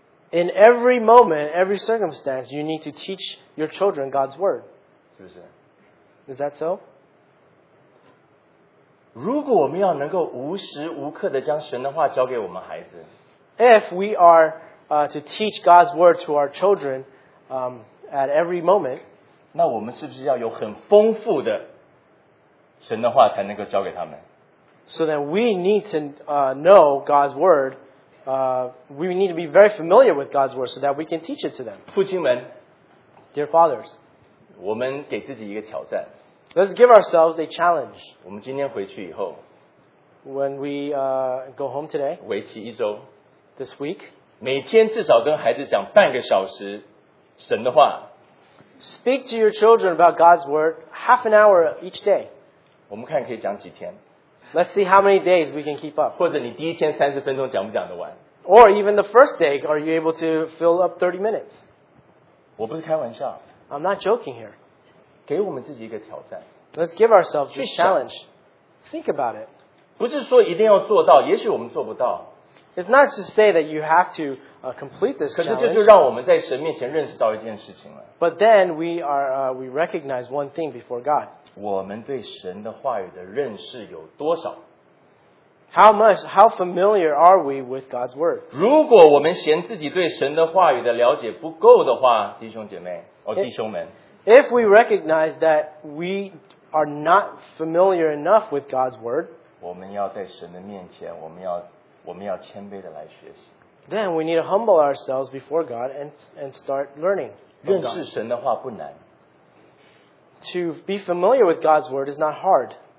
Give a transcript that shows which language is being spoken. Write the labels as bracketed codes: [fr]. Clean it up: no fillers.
[en] In every moment, every circumstance, you need to teach your children God's word. [zh] 是不是? [en] Is that so? [zh] 如果我们要能够无时无刻的将神的话教给我们孩子, [en] if we are to teach God's word to our children at every moment, [zh] 那我们是不是要有很丰富的神的话才能够教给他们? [en] So that we need to know God's word, we need to be very familiar with God's word so that we can teach it to them. [zh] 父亲们, [en] dear fathers, [zh] 我们给自己一个挑战, [en] let's give ourselves a challenge. [zh] 我们今天回去以后, [en] when we go home today, [zh] 为期一周, [en] this week, [zh] 每天至少跟孩子讲半个小时神的话, [en] speak to your children about God's word half an hour each day. [zh] 我们看可以讲几天。 [en] Let's see how many days we can keep up. [zh] 或者你第一天30分钟讲不讲得完? [en] Or even the first day, are you able to fill up 30 minutes? [zh] 我不是开玩笑。 [en] I'm not joking here. [zh] 给我们自己一个挑战。 [en] Let's give ourselves a challenge. Think about it. [zh] 不是说一定要做到, 也许我们做不到。 [en] It's not to say that you have to complete this challenge. [zh] 可是就是让我们在神面前认识到一件事情了。 [en] But then we are we recognize one thing before God. [zh] 我们对神的话语的认识有多少? [en] How familiar are we with God's word? [zh] 如果我们嫌自己对神的话语的了解不够的话, 弟兄姐妹, or 弟兄们, [en] if we recognize that we are not familiar enough with God's word, [zh] 我们要在神的面前,我们要谦卑地来学习。 [en] Then we need to humble ourselves before God and start learning. [zh] 认识神的话不难。 [en] To be familiar with God's word is not hard.